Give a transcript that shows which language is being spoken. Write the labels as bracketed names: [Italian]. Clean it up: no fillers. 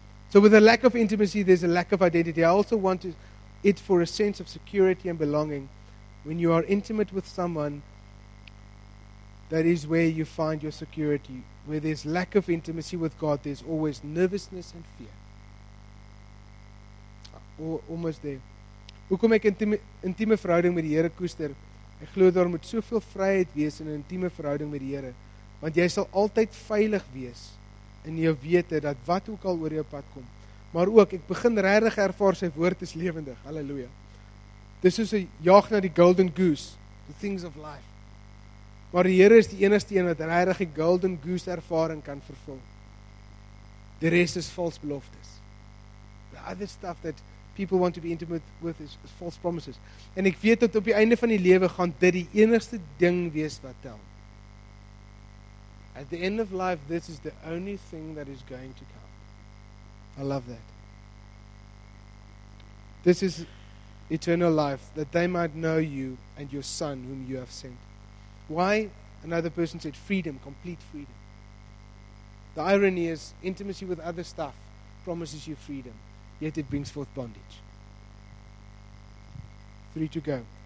[English] So with a lack of intimacy, there's a lack of identity. I also want it for a sense of security and belonging. When you are intimate with someone, that is where you find your security. Where there's lack of intimacy with God, there's always nervousness and fear. Almost there. [Afrikaans] Hoekom ek intieme verhouding met die Here koester? Ek glo daar moet soveel vryheid wees in 'n intieme verhouding met die Here, want jy sal altyd veilig wees in jou wete dat wat ook al oor jou pad kom. Maar ook, ek begin regtig ervaar sy woord is lewendig. Halleluja. Dis soos 'n jag na die golden goose, [English] the things of life. [Afrikaans] Maar die Here is die enigste een wat regtig die golden goose ervaring kan vervul. Die res is vals beloftes. [English] The other stuff that people want to be intimate with is false promises. [Afrikaans] En ek weet dat op die einde van die lewe gaan dit die enigste ding wees wat tel. [English] At the end of life, this is the only thing that is going to count. I love that. This is eternal life, that they might know you and your son whom you have sent. Why? Another person said freedom, complete freedom. The irony is intimacy with other stuff promises you freedom, yet it brings forth bondage. 3 to go.